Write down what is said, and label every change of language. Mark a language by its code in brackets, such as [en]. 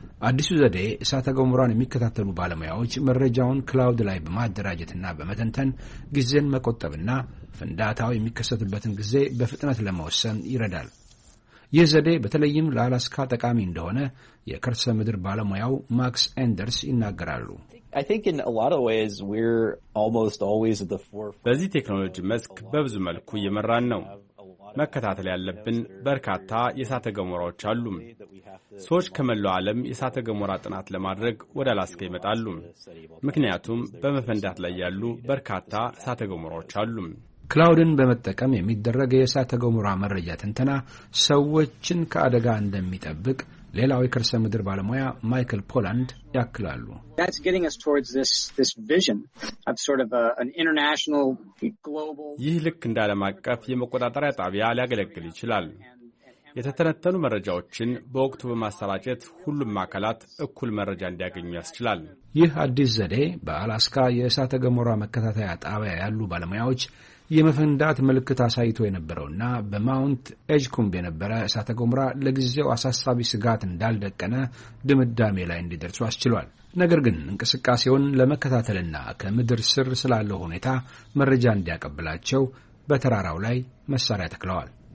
[am] አዲሱ ዘዴ እሳተ ገሞራን የሚከታተሉ ባለሙያዎች መረጃውን ክላውድ ላይ በማደራጀትና በመተንተን ጊዜን መቆጠብና ፍንዳታው የሚከሰትበትን ጊዜ በፍጥነት ለመወሰን ይረዳል። ይህ ዘዴ በተለይም ለአላስካ ጠቃሚ እንደሆነ የከርሰ ምድር ባለሙያው ማክስ አንደርስ ይናገራሉ። [en] I think in a lot of ways we're almost always at the forefront. [am] በዚህ ቴክኖሎጂ መስክ በብዙ መልኩ እየመራን ነው። መከታተል ያለብን በርካታ የእሳተ ገሞራዎች አሉ። ሰዎች ከመላው ዓለም የእሳተ ገሞራ ጥናት ለማድረግ ወደ አላስካ ይመጣሉ። ምክንያቱም በመፈንዳት ላይ ያሉ በርካታ እሳተ ገሞራዎች አሉ። ክላውድን በመጠቀም የሚደረገ የእሳተ ገሞራ መረጃ ትንተና ሰዎችን ከአደጋ እንደሚጠብቅ ሌላው የከርሰ ምድር ባለሙያ ማይክል ፖላንድ ያክላሉ። [en] That's getting us towards this vision of sort of an international global [am] ይህ ልክ እንደ ዓለም አቀፍ የመቆጣጠሪያ ጣቢያ ሊያገለግል ይችላል። የተተነተኑ መረጃዎችን በወቅቱ በማሰራጨት ሁሉም ማከላት እኩል መረጃ እንዲያገኙ ያስችላል። ይህ አዲስ ዘዴ በአላስካ የእሳተ ገሞራ መከታተያ ጣቢያ ያሉ ባለሙያዎች የመፈንዳት ምልክት አሳይቶ የነበረውና በማውንት ኤጅኩምብ የነበረ እሳተ ገሞራ ለጊዜው አሳሳቢ ስጋት እንዳልደቀነ ድምዳሜ ላይ እንዲደርሱ አስችሏል። ነገር ግን እንቅስቃሴውን ለመከታተልና ከምድር ስር ስላለው ሁኔታ መረጃ እንዲያቀብላቸው በተራራው ላይ መሳሪያ ተክለዋል።